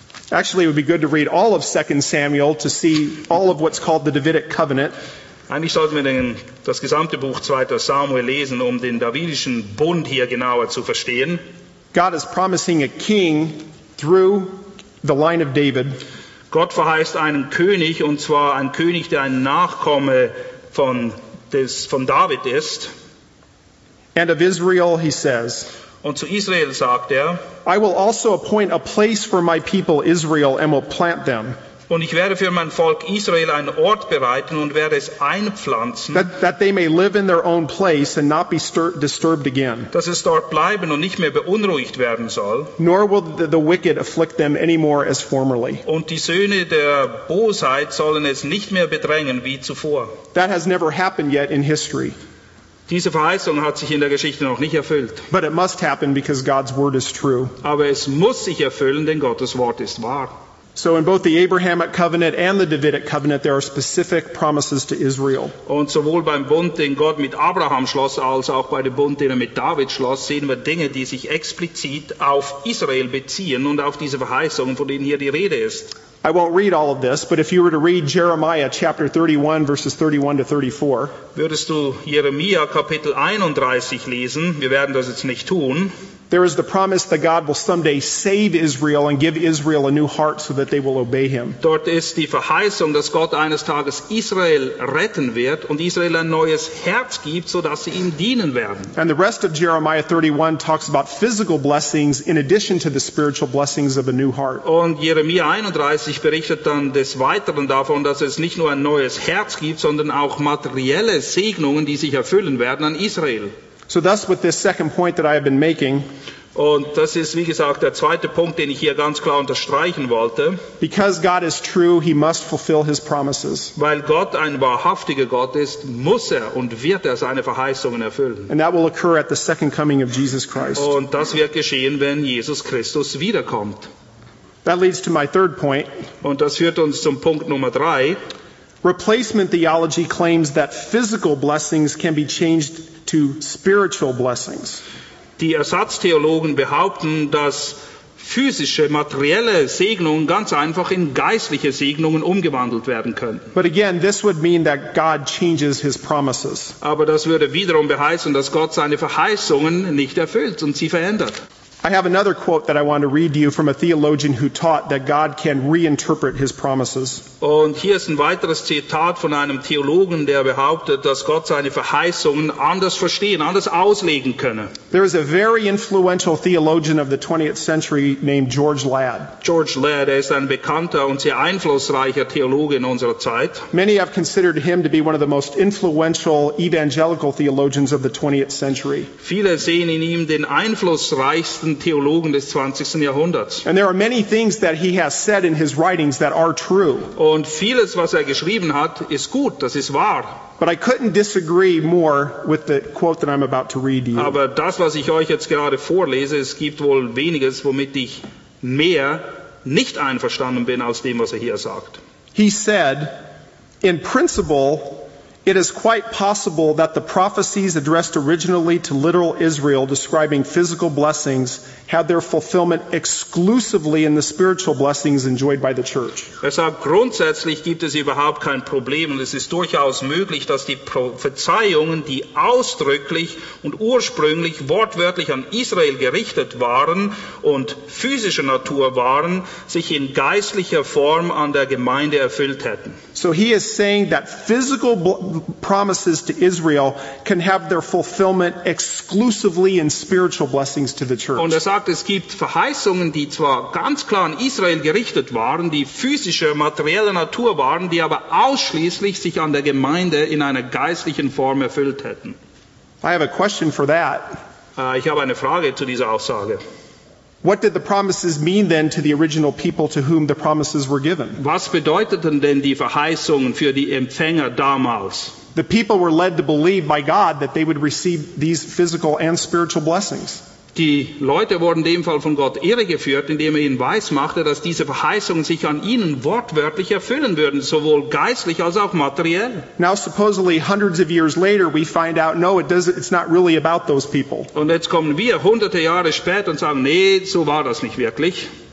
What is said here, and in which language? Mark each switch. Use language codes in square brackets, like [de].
[en] Actually, it would be good to read all of 2 Samuel to see all of what's called the Davidic covenant. [de] Eigentlich sollten wir das gesamte Buch 2. Samuel lesen, um den davidischen Bund hier genauer zu verstehen. [en] God is promising a king through the line of David. [de] Gott verheißt einen König, und zwar einen König, der ein Nachkomme von David ist. [en] And of Israel, he says. [de] Und zu Israel sagt er. [en] I will also appoint a place for my people Israel and will plant them. [de] Und ich werde für mein Volk Israel einen Ort bereiten und werde es einpflanzen. [en] That they may live in their own place and not be disturbed again. [de] Dass es dort bleiben und nicht mehr beunruhigt werden soll. [en] Nor will the wicked afflict them any more as formerly. [de] Und die Söhne der Bosheit sollen es nicht mehr bedrängen wie zuvor. [en] That has never happened yet in history. [de] Diese Verheißung hat sich in der Geschichte noch nicht erfüllt. [en] But it must happen because God's word is true. [de] Aber es muss sich erfüllen, denn Gottes Wort ist wahr. [en] So in both the Abrahamic covenant and the Davidic covenant, there are specific promises to Israel. [de] Und sowohl beim Bund, den Gott mit Abraham schloss, als auch bei dem Bund, den er mit David schloss, sehen wir Dinge, die sich explizit auf Israel beziehen und auf diese Verheißungen, von denen hier die Rede ist. [en] I won't read all of this, but if you were to read Jeremiah chapter 31, verses 31 to 34, [de] würdest du Jeremia Kapitel 31 lesen? Wir werden das jetzt nicht tun. [en] There is the promise that God will someday save Israel and give Israel a new heart so that they will obey him. [de] Dort ist die Verheißung, dass Gott eines Tages Israel retten wird und Israel ein neues Herz gibt, so dass sie ihm dienen werden. [en] And the rest of Jeremiah 31 talks about physical blessings in addition to the spiritual blessings of a new heart. [de] Und Jeremia 31 berichtet dann des Weiteren davon, dass es nicht nur ein neues Herz gibt, sondern auch materielle Segnungen, die sich erfüllen werden an Israel. [en] So thus with this second point that I have been making. [de] Und das ist, wie gesagt, der zweite Punkt, den ich hier ganz klar unterstreichen wollte. [en] Because God is true, he must fulfill his promises. [de] Weil Gott ein wahrhaftiger Gott ist, muss er und wird er seine Verheißungen erfüllen. [en] And that will occur at the second coming of Jesus Christ. [de] Und das wird geschehen, wenn Jesus Christus wiederkommt. [en] That leads to my third point. [de] Und das führt uns zum Punkt Nummer drei. [en] Replacement theology claims that physical blessings can be changed to spiritual blessings. [de] Die Ersatztheologen behaupten, dass physische, materielle Segnungen ganz einfach in geistliche Segnungen umgewandelt werden können. [en] But again, this would mean that God changes his promises. [de] Aber das würde wiederum beheißen, dass Gott seine Verheißungen nicht erfüllt und sie verändert. [en] I have another quote that I want to read to you from a theologian who taught that God can reinterpret his promises. [de] Und hier ist ein weiteres Zitat von einem Theologen, der behauptet, dass Gott seine Verheißungen anders verstehen, anders auslegen könne. [en] There is a very influential theologian of the 20th century named George Ladd. [de] George Ladd, er ist ein bekannter und sehr einflussreicher Theologe in unserer Zeit. [en] Many have considered him to be one of the most influential evangelical theologians of the 20th century. [de] Viele sehen in ihm den einflussreichsten bekanntesten Theologen des 20. Jahrhunderts. [en] And there are many things that he has said in his writings that are true. [de] Und vieles, was er geschrieben hat, ist gut, das ist wahr. [en] But I couldn't disagree more with the quote that I'm about to read to you. [de] Aber das, was ich euch jetzt gerade vorlese, es gibt wohl weniges, womit ich mehr nicht einverstanden bin als dem, was er hier sagt. [en] He said, in principle, it is quite possible that the prophecies addressed originally to literal Israel describing physical blessings had their fulfillment exclusively in the spiritual blessings enjoyed by the church. [de] Deshalb grundsätzlich gibt es überhaupt kein Problem, und es ist durchaus möglich, dass die Prophezeiungen, die ausdrücklich und ursprünglich wortwörtlich an Israel gerichtet waren und physischer Natur waren, sich in geistlicher Form an der Gemeinde erfüllt hätten. [en] So he is saying that physical promises to Israel can have their fulfillment exclusively in spiritual blessings to the church. [de] Und er sagt, es gibt Verheißungen, die zwar ganz klar an Israel gerichtet waren, die physischer, materieller Natur waren, die aber ausschließlich sich an der Gemeinde in einer geistlichen Form erfüllt hätten. [en] I have a question for that. [de] Ich habe eine Frage zu dieser Aussage. [en] What did the promises mean then to the original people to whom the promises were given? [de] Was bedeuteten denn die Verheißungen für die Empfänger damals? [en] The people were led to believe by God that they would receive these physical and spiritual blessings. [de] Die Leute wurden in dem Fall von Gott irregeführt, indem er ihnen weismachte, dass diese Verheißungen sich an ihnen wortwörtlich erfüllen würden, sowohl geistlich als auch materiell. [en] Now supposedly hundreds of years later we find out, no, it's not really about those people. [de] Und jetzt kommen wir hunderte Jahre später und sagen, nee, so war das nicht wirklich.